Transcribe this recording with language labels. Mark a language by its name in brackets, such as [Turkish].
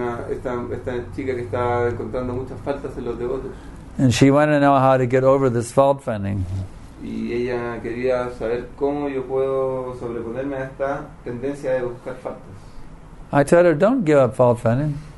[Spanish] Esta chica que estaba encontrando muchas faltas en los devotos. [English] And she wanted to know how to get over this fault finding. [Spanish] Y ella quería saber cómo yo puedo sobreponerme a esta tendencia de buscar faltas. [English] I told her, don't give up fault finding.